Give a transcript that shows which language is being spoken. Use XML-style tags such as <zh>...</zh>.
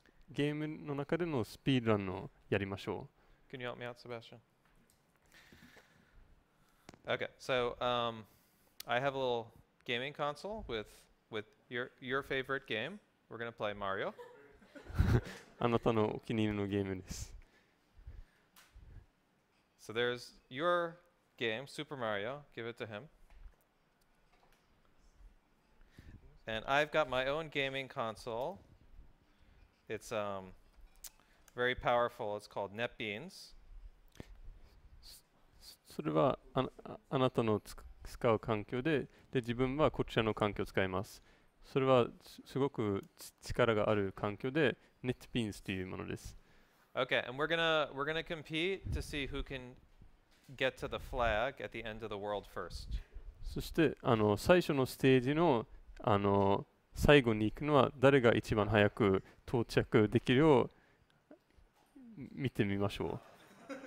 <ja>ゲームの中でのスピードランをやりましょう。</ja> <en>Can you help me out, Sebastian? Okay, so I have a little gaming console with your favorite game. We're going to play Mario.</en> <ja>あなたのお気に入りのゲームです。</ja> <en>So there's your game, Super Mario. Give it to him. And I've got my own gaming console. It's very powerful. It's called NetBeans.</en> <ja>それはあなたの使う環境で、で自分はこちらの環境を使います。それはすごく力がある環境で、NetBeans というものです。</ja> <en>Okay, and we're gonna compete to see who can get to the flag at the end of the world first.</en> <ja>そして最初のステージの最後に行くのは誰が一番早く到着できるよう見てみましょう。</ja>